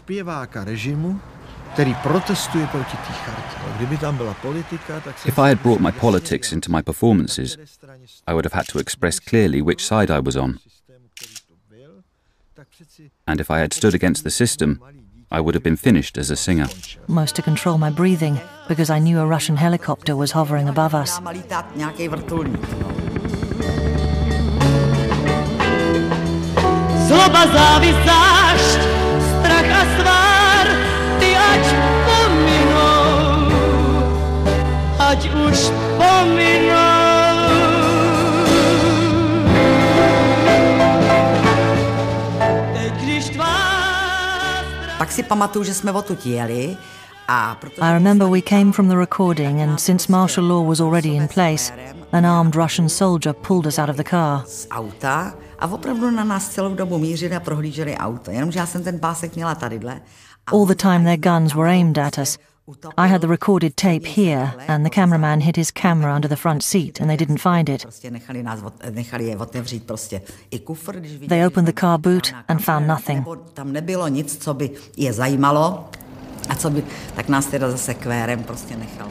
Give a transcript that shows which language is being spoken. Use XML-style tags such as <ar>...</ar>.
<en>If I had brought my politics into my performances, I would have had to express clearly which side I was on. And if I had stood against the system, I would have been finished as a singer. Most to control my breathing, because I knew a Russian helicopter was hovering above us.</en> <cs>Zloba, závisť, strach a svár, ty ať pominou, ať už pominou. Teď, když tvá strach... Pak si pamatuju, že jsme odtud jeli.</cs> <en>I remember we came from the recording, and since martial law was already in place, an armed Russian soldier pulled us out of the car.</en> <cs>Auta a opravdu na nás celou dobu mířili a prohlíželi auto. Jenomže já jsem ten pásek měla tadyhle.</cs> <en>All the time their guns were aimed at us. I had the recorded tape here, and the cameraman hid his camera under the front seat, and they didn't find it. They opened the car boot and found nothing.</en> <cs>Tam nebylo nic, co by je zajímalo. A co by, tak nás teda zase kvérem prostě nechal.</cs>